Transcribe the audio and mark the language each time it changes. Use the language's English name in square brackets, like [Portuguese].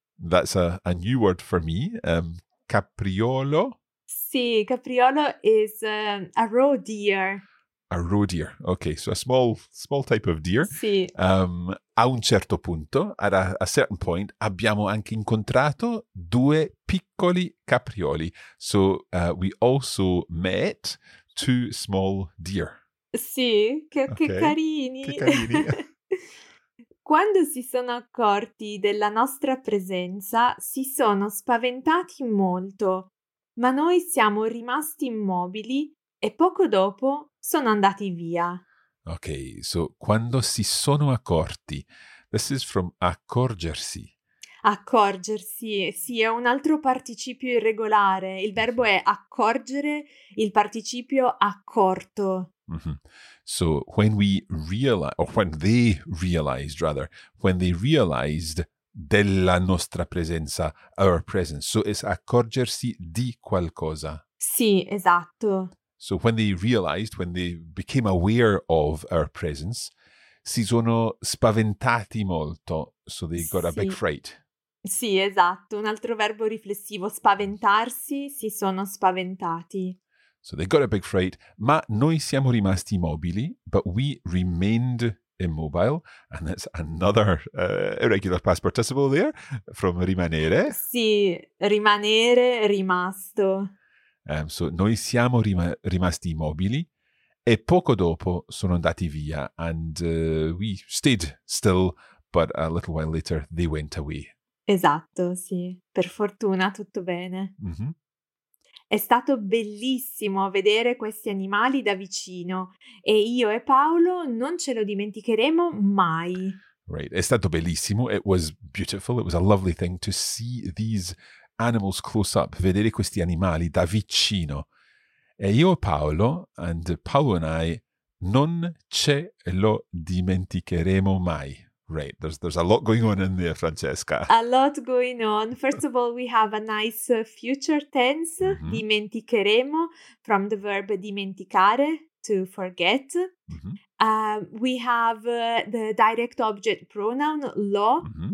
[English] That's a new word for me. Capriolo. Sì, capriolo is a roe deer. A roe deer. Okay, so a small type of deer. [Italian] Sì. A un certo punto, [English] at a certain point, [Italian] abbiamo anche incontrato due piccoli caprioli. [English] So we also met two small deer. [Italian] Sì, che carini. Che carini. Quando si sono accorti della nostra presenza, si sono spaventati molto, ma noi siamo rimasti immobili e poco dopo sono andati via. [English] Ok, so [Italian] quando si sono accorti, [English] this is from accorgersi. [Italian] Accorgersi, sì, è un altro participio irregolare. Il verbo è accorgere, il participio accorto. [English] Mm-hmm. So when we realize, or when they realized rather, when they realized [Italian] della nostra presenza, [English] our presence. So it's [Italian] accorgersi di qualcosa. Sì, esatto. [English] So when they realized, when they became aware of our presence, [Italian] si sono spaventati molto. [English] So they got a big fright. [Italian] Sì, esatto. Un altro verbo riflessivo, spaventarsi, si sono spaventati. [English] So they got a big fright, [Italian] ma noi siamo rimasti immobili, [English] but we remained immobile, and that's another irregular past participle there, from rimanere. [Italian] Sì, rimanere, rimasto. [English] So [Italian] noi siamo rimasti immobili, e poco dopo sono andati via, [English] and we stayed still, but a little while later they went away. [Italian] Esatto, sì. Per fortuna tutto bene. Mm-hmm. È stato bellissimo vedere questi animali da vicino e io e Paolo non ce lo dimenticheremo mai. Right, è stato bellissimo. [English] It was beautiful. It was a lovely thing to see these animals close up, [Italian] vedere questi animali da vicino. E io e Paolo, [English] and Paolo and I, [Italian] non ce lo dimenticheremo mai. [English] Right, there's a lot going on in there, Francesca. A lot going on. First of all, we have a nice future tense, mm-hmm. dimenticheremo, from the verb dimenticare, to forget. Mm-hmm. We have the direct object pronoun, lo, mm-hmm.